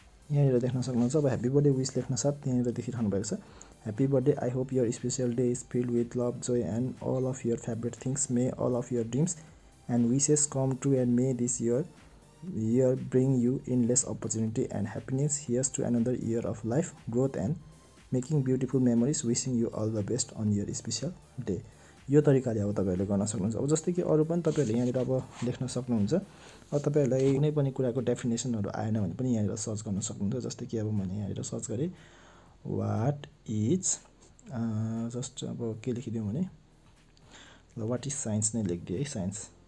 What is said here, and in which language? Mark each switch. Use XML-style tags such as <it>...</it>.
<ne>यहाँ हेर देख्न सक्नुहुन्छ अब ह्याप्पी बर्थडे विश लेख्न साथ यहाँ हेर देखिरहनु भएको छ</ne> <en>Happy birthday I hope your special day is filled with love joy and all of your favourite things may all of your dreams and wishes come true and may this year Year bring you endless opportunity and happiness. Here's to another year of life, growth, and making beautiful memories. Wishing you all the best on your special day.</en> <ne>यो तरिकाले अब तपाईहरुले गर्न सक्नुहुन्छ अब जस्तै कि अरु पनि तपाईहरुले यहाँ अब लेख्न सक्नुहुन्छ अब तपाईहरुलाई कुनै पनि कुराको डेफिनेसनहरु आएन भने पनि यहाँ सर्च गर्न सक्नुहुन्छ जस्तै कि अब मैले यहाँ सर्च गरे what is जस्ट अब के लेखिदिउँ भने ल</ne> <en>what is science</en> <ne>नै लेखिदिए है साइन्स</ne>